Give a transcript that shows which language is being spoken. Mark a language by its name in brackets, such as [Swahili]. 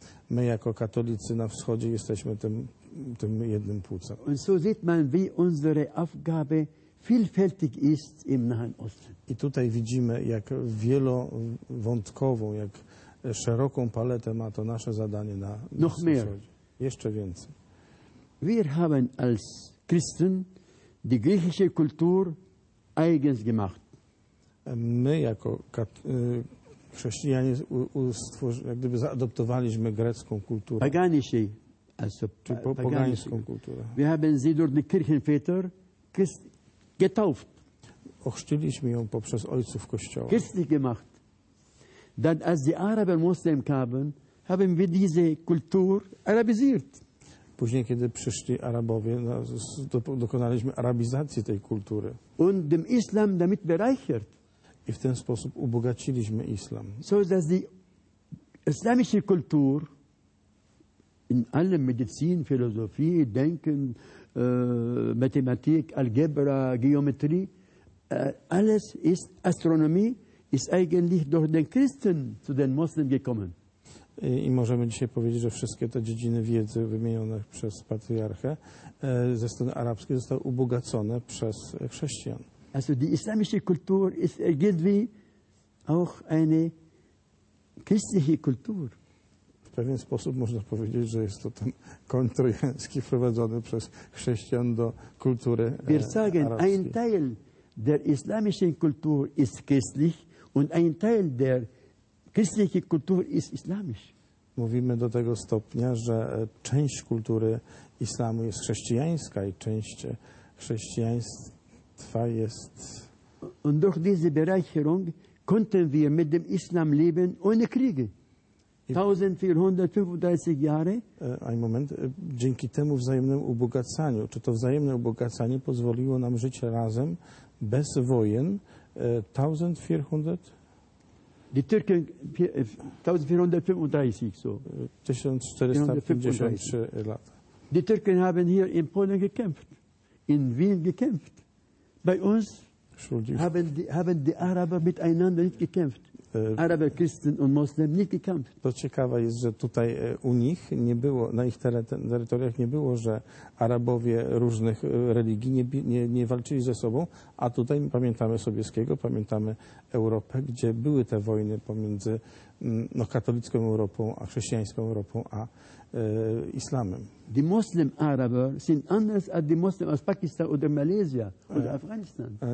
[Polish] My jako katolicy na wschodzie jesteśmy tym jednym płucem. [German] Und so sieht man, wie unsere Aufgabe vielfältig ist im Nahen Osten. [Polish] I tutaj widzimy, jak wielowątkową, jak szeroką paletę ma to nasze zadanie na [German] noch [Polish] wschodzie. [German] Mehr. [Polish] Jeszcze więcej. [German] Wir haben als Christen die griechische Kultur eigens gemacht. [Polish] My jako chrześcijanie jak gdyby zaadoptowaliśmy grecką kulturę. [German] Paganische, also [Polish] pogańską kulturę. [German] Wir haben sie durch die Kirchenväter getauft. [Polish] Ochrzciliśmy ją poprzez ojców kościoła. [German] Christlich gemacht. Dann als die Araber Muslim kamen, haben wir diese Kultur arabisiert. [Polish] Później, kiedy przyszli Arabowie, dokonaliśmy arabizacji tej kultury. [German] Und dem Islam damit bereichert. [Polish] I w ten sposób ubogaciliśmy islam. [German] So dass die islamische Kultur in allem Medizin, Philosophie, Denken, Mathematik, Algebra, Geometrie, alles ist Astronomie, ist eigentlich durch den Christen zu den Muslimen gekommen. [Polish] I możemy dzisiaj powiedzieć, że wszystkie te dziedziny wiedzy wymienione przez patriarchę ze strony arabskiej zostały ubogacone przez chrześcijan. [German] Also die islamische Kultur ist irgendwie auch eine christliche Kultur. [Polish] W pewien sposób można powiedzieć, że jest to ten koń trojański wprowadzony przez chrześcijan do kultury [German] Wir sagen, [Polish] arabskiej. [German] Ein Teil der islamischen Kultur ist christlich und ein Teil der christlichen Kultur ist islamisch. [Polish] Mówimy do tego stopnia, że część kultury islamu jest chrześcijańska i część chrześcijaństwa jest [German] Und durch diese Bereicherung konnten wir mit dem Islam leben ohne Kriege. 1435 Jahre. Ein Moment. [Polish] Dzięki temu wzajemnemu ubogacaniu, czy to wzajemne ubogacanie pozwoliło nam żyć razem bez wojen 1400. [German] Die Türken 1435 so. [Polish] 1453 lat. [German] Die Türken haben hier in Polen gekämpft, in Wien gekämpft. Bei uns haben die Araber miteinander nicht gekämpft. Araber, Christen und Moslem nicht gekämpft. [Polish] To ciekawe jest, że tutaj u nich nie było, na ich terytoriach nie było, że Arabowie różnych religii nie walczyli ze sobą, a tutaj pamiętamy Sobieskiego, pamiętamy Europę, gdzie były te wojny pomiędzy katolicką Europą, a chrześcijańską Europą, a islamem. [German] Die Muslim Araber sind anders als die Muslim aus Pakistan oder Malaysia oder Afghanistan.